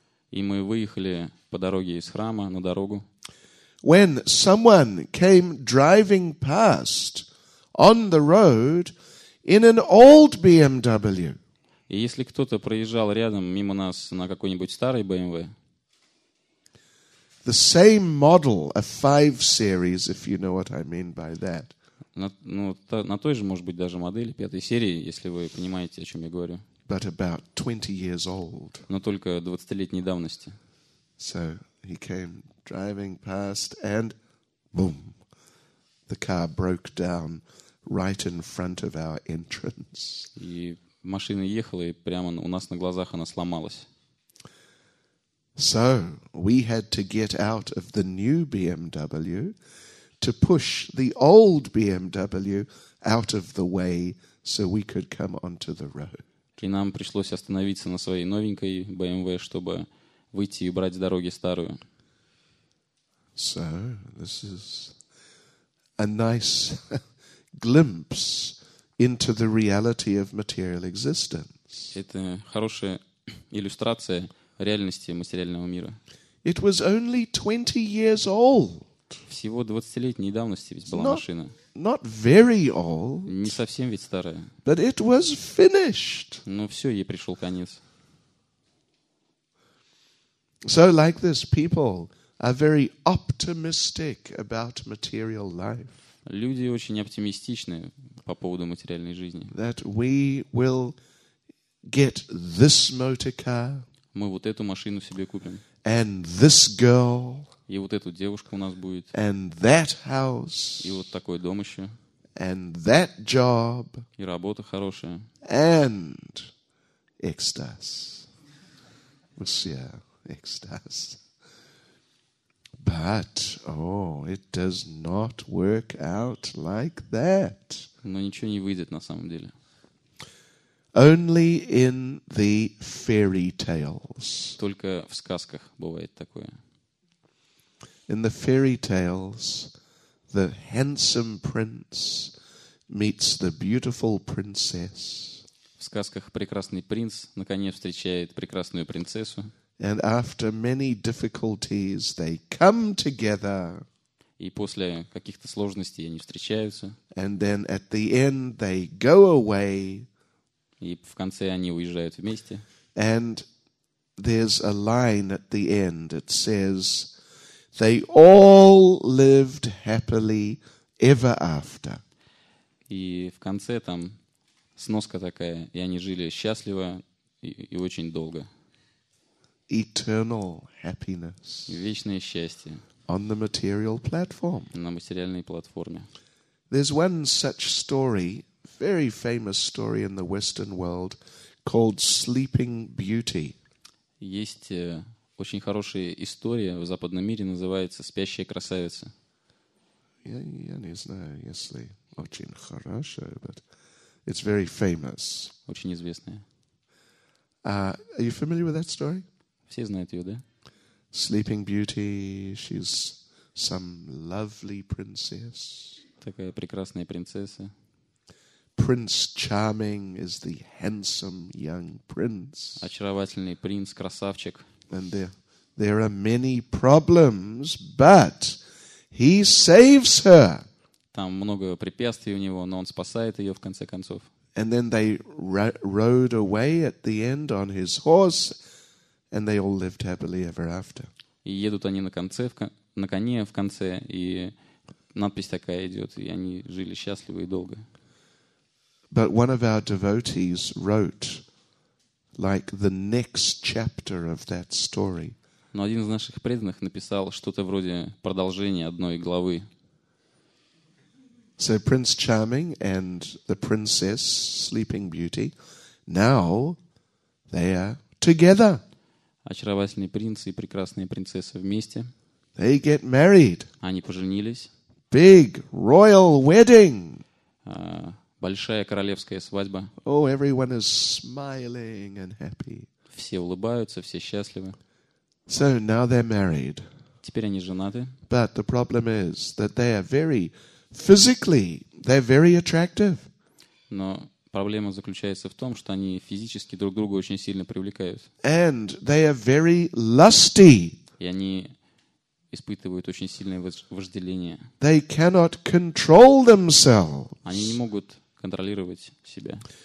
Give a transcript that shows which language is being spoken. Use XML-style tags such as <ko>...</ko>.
<ru>И мы выехали по дороге из храма на дорогу.</ru> <en>When someone came driving past on the road in an old BMW.</en> <ru>И если кто-то проезжал рядом мимо нас на какой-нибудь старой BMW.</ru> <en>The same model, a 5 series, if you know what I mean by that.</en> <ru>На той же, может быть, даже модели пятой серии, если вы понимаете, о чем я говорю.</ru> <en>But about 20 years old.</en> <ru>Но только 20-летней давности.</ru> <en>So he came driving past and boom, the car broke down right in front of our entrance.</en> <ru>И машина ехала, и прямо у нас на глазах она сломалась.</ru> <en>So we had to get out of the new BMW to push the old BMW out of the way so we could come onto the road.</en> <ru>И нам пришлось остановиться на своей новенькой BMW, чтобы выйти и убрать с дороги старую.</ru> <en>So, this is a nice glimpse into the reality of material existence.</en> <ru>Это хорошая иллюстрация реальности материального мира.</ru> <en>It was only 20 years old.</en> <ru>Всего 20-летней давности ведь была машина.</ru> <en>Not very old.</en> <ru>Не совсем ведь старая.</ru> <en>But it was finished.</en> <ru>Но все, ей пришел конец.</ru> <en>So, like this, people are very optimistic about material life.</en> <ru>Люди очень оптимистичны по поводу материальной жизни.</ru> <en>That we will get this motor car.</en> <ru>Мы вот эту машину себе купим.</ru> <en>And this girl.</en> <ru>И вот эту девушку у нас будет.</ru> <en>And that house.</en> <ru>И вот такой дом еще.</ru> <en>And that job.</en> <ru>И работа хорошая.</ru> <en>And ecstasy. Monsieur, ecstasy. But, oh, it does not work out like that.</en> <ru>Но ничего не выйдет на самом деле.</ru> <en>Only in the fairy tales.</en> <ru>Только в сказках бывает такое.</ru> <en>In the fairy tales, the handsome prince meets the beautiful princess.</en> <ru>В сказках прекрасный принц на коне встречает прекрасную принцессу.</ru> <en>And after many difficulties, they come together.</en> <ru>И после каких-то сложностей они встречаются.</ru> <en>And then at the end, they go away.</en> <ru>И в конце они уезжают вместе.</ru> <en>And there's a line at the end. It says, "They all lived happily ever after."</en> <ru>И в конце там сноска такая, и они жили счастливо и очень долго.</ru> <en>Eternal happiness.</en> <ru>Вечное счастье.</ru> <en>On the material platform.</en> <ru>На материальной платформе.</ru> <en>There's one such story, very famous story in the Western world, called Sleeping Beauty.</en> <ru>Есть очень хорошая история в западном мире, называется «Спящая красавица». Я не знаю, если очень хорошая,</ru> <en>but it's very famous.</en> <ru>Очень известная.</ru> <en>Are you familiar with that story?</en> <ru>Все знают ее, да?</ru> <en>Sleeping Beauty, she's some lovely princess.</en> <ru>Такая прекрасная принцесса.</ru> <en>Prince Charming is the handsome young prince.</en> <ru>Очаровательный принц, красавчик.</ru> <en>And there are many problems, but he saves her.</en> <ru>Там много препятствий у него, но он спасает ее в конце концов.</ru> <en>And then they rode away at the end on his horse, and they all lived happily ever after.</en> <ru>И едут они на коне в конце, и надпись такая идет, и они жили счастливо и долго.</ru> <en>But one of our devotees wrote like the next chapter of that story.</en> <ru>Но один из наших преданных написал что-то вроде продолжения одной главы.</ru> <en>So Prince Charming and the princess Sleeping Beauty, now they are together.</en> <ru>Очаровательный принц и прекрасная принцесса вместе.</ru> <en>They get married.</en> <ru>Они поженились.</ru> <en>Big royal wedding.</en> <ru>Большая королевская свадьба.</ru> <en>Oh, everyone is smiling and happy.</en> <ru>Все улыбаются, все счастливы.</ru> <en>So now they're married.</en> <ru>Теперь они женаты.</ru> <en>But the problem is that they are very physically, they're very attractive.</en> <ru>Но проблема заключается в том, что они физически друг друга очень сильно привлекают.</ru> <en>And they are very lusty.</en> <ru>И они испытывают очень сильное вожделение.</ru> <en>They cannot control themselves.</en> <ru>Они не могут контролировать себя.</ru>